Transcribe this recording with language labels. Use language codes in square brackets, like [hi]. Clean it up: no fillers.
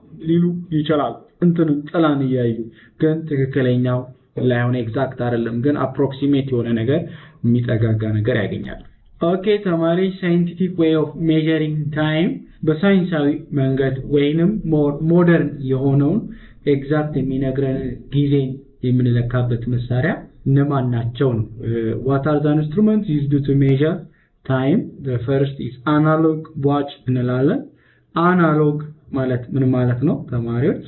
[am] ሊሉ ይችላል። እንትኑ ጥላን ይያዩ ግን ትክክለኛው ላይሆን ኤግዛክት አይደለም ግን አፕሮክሲሜት የሆነ ነገር የሚጠጋጋ ነገር ያገኛሉ። ኦኬ ተማሪ [en] ሳይንቲፊክ ዌይ ኦፍ ሜዥሪንግ ታይም [am] በሳይንሳዊ መንገድ ወይንም ሞደርን የሆነውን exact የሚነግረን ጊዜን የምንለካበት መሳሪያ ነማን ናቸው? [en] what are the instruments used to measure time? the first is analog watch [am] እንላለን። analog ማለት ምን ማለት ነው ተማሪዎች?